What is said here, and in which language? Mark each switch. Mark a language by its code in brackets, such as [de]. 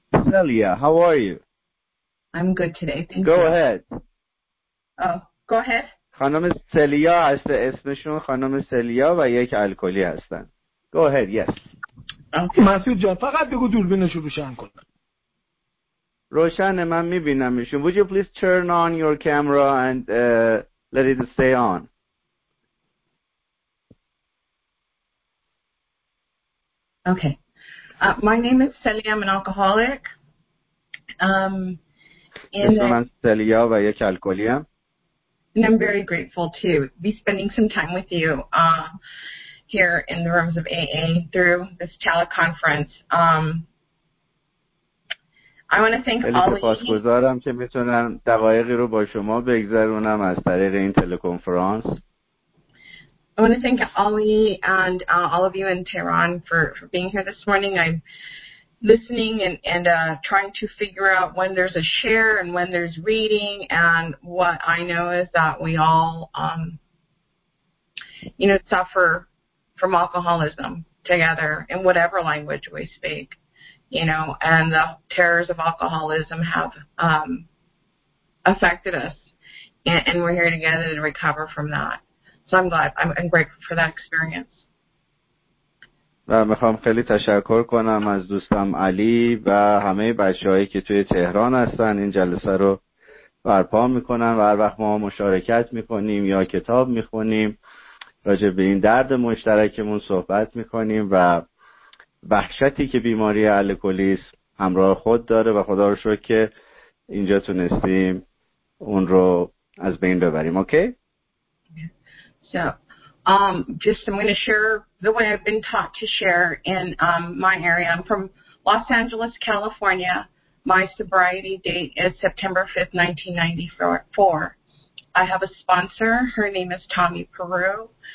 [en] Celia, how are you? I'm good today, thank Go you. Go ahead. Go ahead. [fa] خانم سلیا هست، اسمشون خانم سلیا و یک الکلی هستن. [en] Go ahead, yes. [fa] مسعود جان، فقط بگو دوربینش رو روشن کنن. روشنه، من میبینم ایشون. [en] Would you please turn on your camera and let it stay on? Okay. My name is Celia. I'm an alcoholic. [fa] من سلیا و یک الکلی هم. [en] And I'm very grateful to be spending some time with you here in the rooms of AA through this teleconference. I want to thank Ali. [fa] خیلی سپاسگزارم که میتونم دقایقی رو با شما بگذرونم از طریق این تلکنفرانس. [en] I want to thank Ali and all of you in Tehran for being here this morning. I'm listening and trying to figure out when there's a share and when there's reading, and what I know is that we all suffer from alcoholism together in whatever language we speak, and the terrors of alcoholism have affected us, and we're here together to recover from that. So I'm grateful for that experience. [fa] و میخوام خیلی تشکر کنم از دوستم علی و همه بچه‌هایی که توی تهران هستن. این جلسه رو برپا میکنن و هر وقت ما مشارکت میکنیم یا کتاب میخونیم راجع به این درد مشترکمون صحبت میکنیم و وحشتی که بیماری الکلیسم همراه خود داره، و خدا رو شکر که اینجا تونستیم اون رو از بین ببریم. [en] I'm going to share the way I've been taught to share in my area. I'm from Los Angeles, California. My sobriety date is September 5th, 1994. I have a sponsor. Her name is Tommy Peru.